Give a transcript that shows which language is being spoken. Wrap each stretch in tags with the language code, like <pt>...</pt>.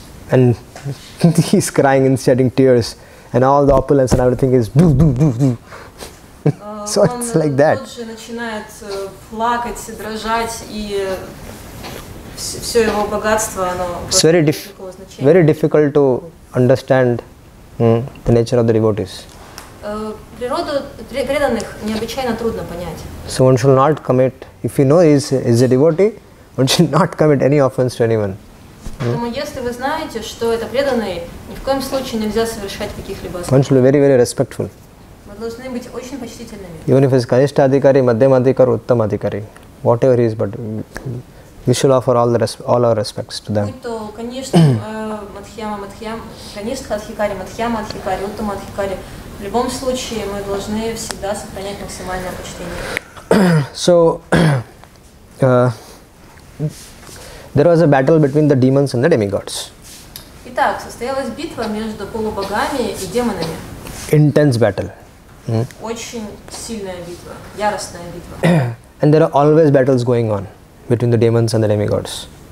<en>And he's crying and shedding tears, and all the opulence and everything is boo, boo, boo, boo. So it's like that.</en> <ru>Он тут же начинает плакать, дрожать, и все его богатство, оно.</ru> <en>It's very difficult to understand the nature of the devotees.</en> <ru>Природу преданных необычайно трудно понять.</ru> <en>So one should not commit, if you know is a devotee, one should not commit any offense to anyone.</en> <ru>Поэтому если вы знаете, что это преданный, ни в коем случае нельзя совершать каких-либо ошибок.</ru> <en>One should be very, very respectful.</en> <ru>Вы должны быть очень почтительными.</ru> <en>Even if it's Kanishta Adhikari, Madhyam Adhikari, Uttam Adhikari. whatever he is, but we should offer all the all our respects to them.</en> <ru>В любом случае мы должны всегда сохранять максимальное почтение.</ru> <en>So there was a battle between the demons and the demigods.</en> <ru>Итак, состоялась битва между полубогами и демонами.</ru> <en>Intense battle.</en> <ru>Очень сильная битва, яростная битва.</ru> <en>And there are always battles going on between the demons and the demigods.</en>